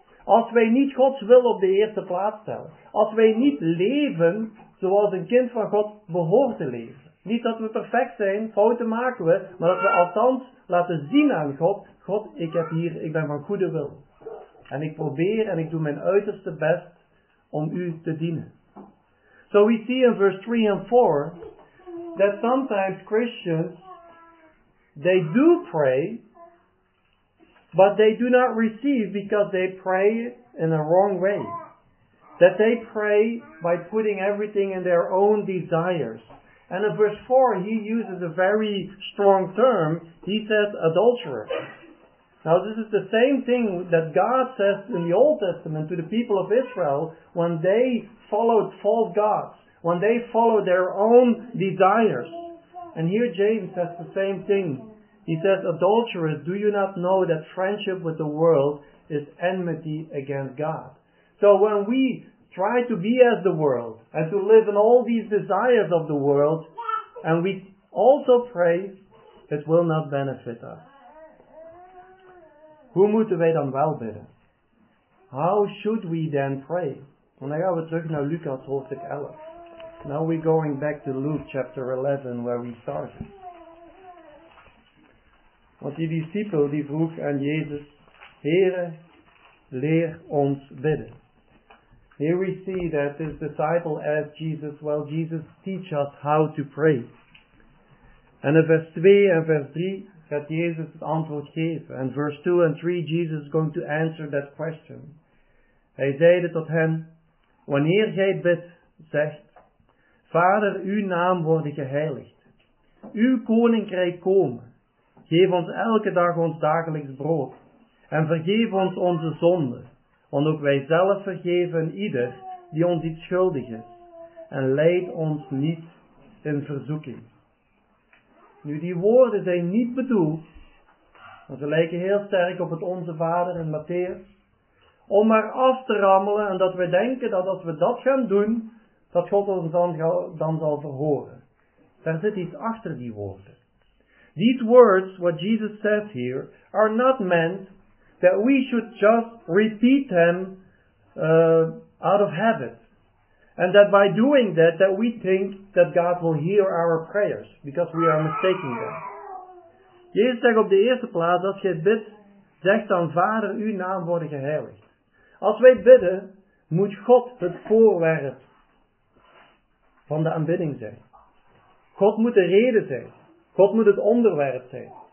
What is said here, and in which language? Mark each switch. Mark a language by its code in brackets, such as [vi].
[nl] Als wij niet Gods wil op de eerste plaats stellen. Als wij niet leven zoals een kind van God behoort te leven. Niet dat we perfect zijn, fouten maken we, maar dat we althans laten zien aan God. God, ik ben van goede wil. En ik probeer en ik doe mijn uiterste best om u te dienen. [en] So we see in verse 3 and 4 that sometimes Christians, they do pray, but they do not receive because they pray in a wrong way. That they pray by putting everything in their own desires. And in verse 4 he uses a very strong term. He says adulterer. Now this is the same thing that God says in the Old Testament to the people of Israel when they followed false gods, when they followed their own desires. And here James says the same thing. He says, adulterers, do you not know that friendship with the world is enmity against God? So when we try to be as the world and to live in all these desires of the world and we also pray, it will not benefit us. [nl] Hoe moeten wij dan wel bidden? [en] How should we then pray? [nl] En dan gaan we terug naar Lucas hoofdstuk 11. [en] Now we're going back to Luke chapter 11 where we started. [nl] Want die discipel die vroeg aan Jezus, Heere, leer ons bidden. [en] Here we see that this disciple asked Jesus, well Jesus, teach us how to pray. [nl] En in vers 2 en vers 3 gaat Jezus het antwoord geven. [en] En verse 2 and 3, Jesus is going to answer that question. [nl] Hij zeide tot hen, wanneer gij bidt, zegt, Vader, uw naam worden geheiligd. Uw koninkrijk komen. Geef ons elke dag ons dagelijks brood. En vergeef ons onze zonden. Want ook wij zelf vergeven ieder die ons iets schuldig is. En leid ons niet in verzoeking. Nu, die woorden zijn niet bedoeld, want ze lijken heel sterk op het Onze Vader in Matteüs, om maar af te rammelen en dat we denken dat als we dat gaan doen, dat God ons dan zal verhoren. Daar zit iets achter die woorden. [en] These words, what Jesus says here, are not meant that we should just repeat them out of habit. And that by doing that, that we think that God will hear our prayers, because we are mistaken there. [nl] Jezus zegt op de eerste plaats, als jij bidt, zegt dan Vader, uw naam worden geheiligd. Als wij bidden, moet God het voorwerp van de aanbidding zijn. God moet de reden zijn. God moet het onderwerp zijn.